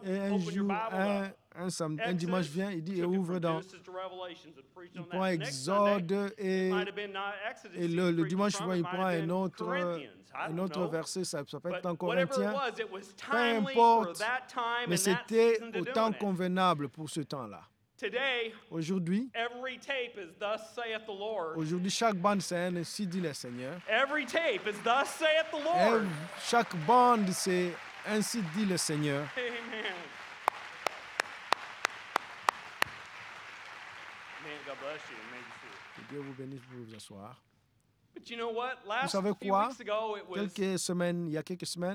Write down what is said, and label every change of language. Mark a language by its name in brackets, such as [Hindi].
[French] et un jour, un dimanche vient, il dit, et ouvre dans, il prend Exode, et le dimanche suivant, il prend un autre verset, ça peut être en Corinthiens, peu importe, mais c'était au temps convenable pour ce temps-là. [English] Today, [French] aujourd'hui, [English] every tape is thus saith the Lord. [French] Aujourd'hui, chaque bande c'est ainsi dit le Seigneur. [English] Every tape is thus saith the Lord. [French] Et chaque bande c'est ainsi dit le Seigneur. Amen. [English] Amen. God bless you. May you see. [French] Que Dieu vous bénisse, vous vous asseoir. [English] But you know what? Last few weeks ago, it [French] was. Vous savez quoi? Il y a quelques semaines.